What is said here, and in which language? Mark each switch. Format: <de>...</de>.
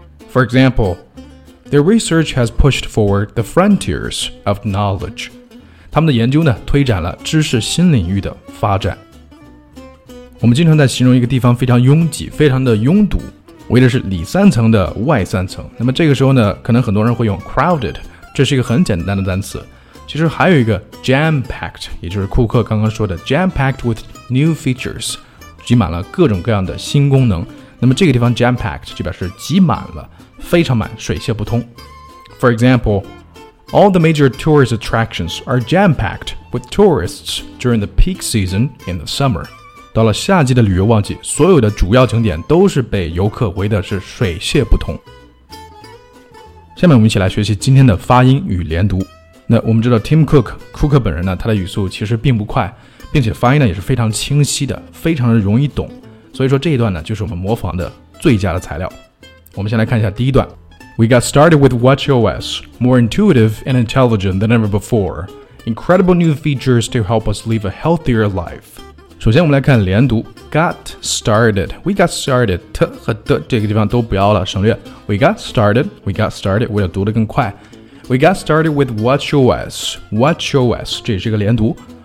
<en>For example， Their research has pushed forward the frontiers of knowledge。</en> <zh>他们的研究呢推展了知识新领域的发展。我们经常在形容一个地方非常拥挤，非常的拥堵，为的是里三层的外三层。那么这个时候呢，可能很多人会用 crowded， 这是一个很简单的单词。其实还有一个 jam-packed， 也就是库克刚刚说的</zh> <en>jam-packed with new features，</en> <zh>挤满了各种各样的新功能。那么这个地方 jam-packed 就表示挤满了，非常满，水泄不通。</zh> <en>For example, all the major tourist attractions are jam-packed with tourists during the peak season in the summer.</en> <zh>到了夏季的旅游旺季，所有的主要景点都是被游客围的是水泄不通。下面我们一起来学习今天的发音与连读。那我们知道 Tim Cook 库克本人呢，他的语速其实并不快，并且发音呢也是非常清晰的，非常的容易懂。所以说这一段呢就是我们模仿的最佳的材料。我们先来看一下第一段。</zh> <en>We got started with WatchOS, more intuitive and intelligent than ever before. Incredible new features to help us live a healthier life.</en> <zh>首先我们来看连读 ,</zh> <en>got started, we got started,</en> <zh>特和的这个地方都不要了，省略。</zh> <en>We got started,</en> <zh>为了读得更快。</zh> <en>We got started with WatchOS,</en> <zh>这是一个连读。</zh>